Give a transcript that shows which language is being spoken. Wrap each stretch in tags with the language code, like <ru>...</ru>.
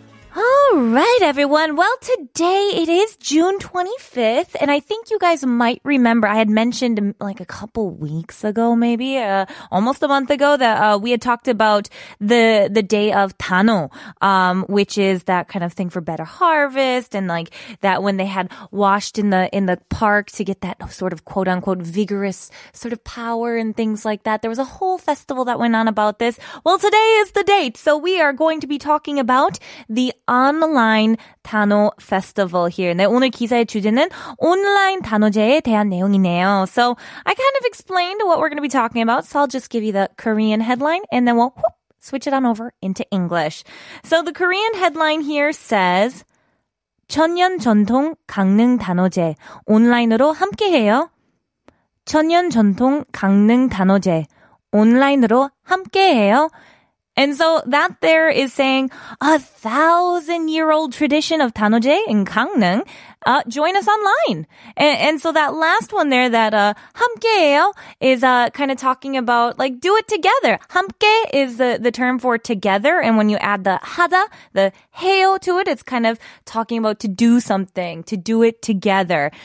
<en>Alright, everyone. Well, today it is June 25th, and I think you guys might remember I had mentioned like a couple weeks ago, maybe almost a month ago, that we had talked about the day of Tano, which is that kind of thing for better harvest, and like that when they had washed in the park to get that sort of quote unquote vigorous sort of power and things like that. There was a whole festival that went on about this. Well, today is the date, so we are going to be talking about the online 단어 festival here.</en> <ko>네, 오늘 기사의 주제는 온라인 단어제에 대한 내용이네요.</ko> <en>So I kind of explained what we're going to be talking about. So I'll just give you the Korean headline and then we'll whoop, switch it on over into English. So the Korean headline here says</en> <ko>천년 전통 강릉 단어제 온라인으로 함께해요. 천년 전통 강릉 단어제 온라인으로 함께해요.</ko> <en>And so that there is saying a 1,000-year-old tradition of 단오제 in Gangneung. Join us online. And so that last one there, that 함께해요 is kind of talking about like do it together. 함께 is the term for together. And when you add the 하다, the 해요 to it, it's kind of talking about to do something, to do it together.</en>